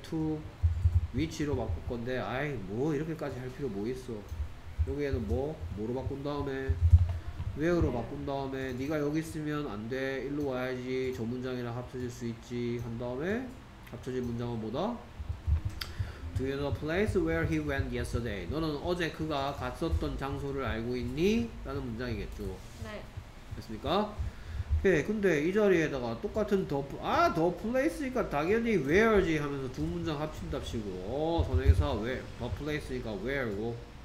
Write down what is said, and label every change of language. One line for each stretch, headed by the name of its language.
English: To which
Korean: 로 바꿀 건데? 아이 뭐 이렇게까지 할 필요 뭐 있어? 여기에는 뭐? 뭐로 바꾼 다음에 where로 바꾼 다음에 네가 여기 있으면 안 돼 일로 와야지 저 문장이랑 합쳐질 수 있지 한 다음에 합쳐진 문장은 뭐다?
English: Do you know the place where he went yesterday?
Korean: 너는 어제 그가 갔었던 장소를 알고 있니? 라는 문장이겠죠. 네. 됐습니까? 오케이. 근데 이 자리에다가 똑같은 the place니까 당연히 where지 하면서 두 문장 합친답시고 선행사 where, the place니까 where고